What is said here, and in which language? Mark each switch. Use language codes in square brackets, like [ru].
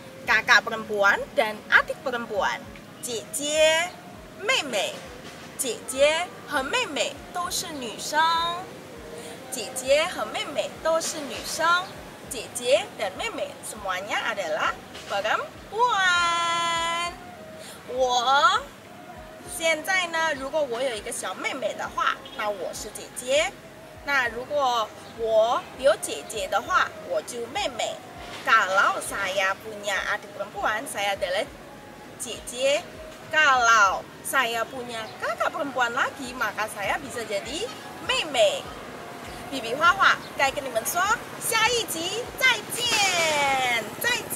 [id] Kakak perempuan dan adik perempuan. Jie-jie, mei-mei. Jie-jie dan mei-mei itu adalah女生.Jie-jie dan mei-mei itu adalah女生. Jie-jie dan mei-mei semuanya adalah perempuan. [zh] 我 现在呢, 如果我有一个小妹妹的话, 那我是姐姐. 那如果我有姐姐的话, 我就妹妹. [id] Kalau saya punya adik perempuan, saya adalah jie-jie. Kalau saya punya kakak perempuan lagi, maka saya bisa jadi mei-mei. [zh] Bibi Hua Hua, 该跟你们说, 下一集再见!